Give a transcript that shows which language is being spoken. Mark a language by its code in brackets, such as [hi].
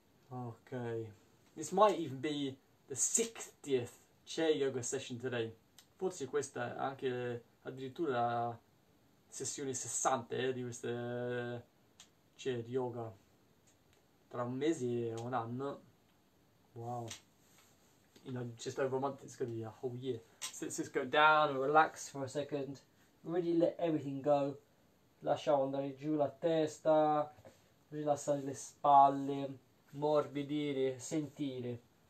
[en] Okay, this might even be the 60th chair yoga session today. [it] Forse questa è anche addirittura la sessione 60 di questa chair yoga. Tra un mese e un anno. Wow. [en] You know, just over a month, it's going to be a whole year. So let's just go down and relax for a second. Really let everything go. [it] Lasciamo andare giù la testa. Rilassare le spalle. Morbidire, sentire.